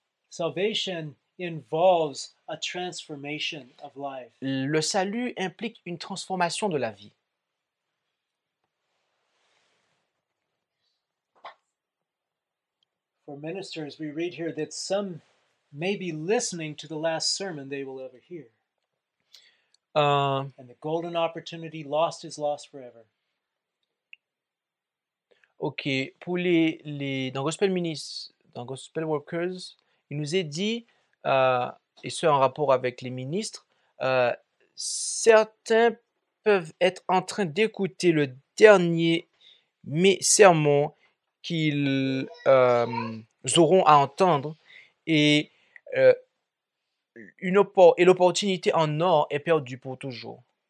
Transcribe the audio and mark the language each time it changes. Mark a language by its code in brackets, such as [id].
[en] Salvation involves a transformation of life. [fr] Le salut implique une transformation de la vie. [en] For ministers, we read here that some may be listening to the last sermon they will ever hear. And the golden opportunity lost is lost forever. [fr] Ok, pour les dans Gospel Ministers, dans Gospel Workers, il nous est dit, et ce en rapport avec les ministres, certains peuvent être en train d'écouter le dernier sermon qu'ils auront à entendre, et l'opportunité en or est perdue pour toujours.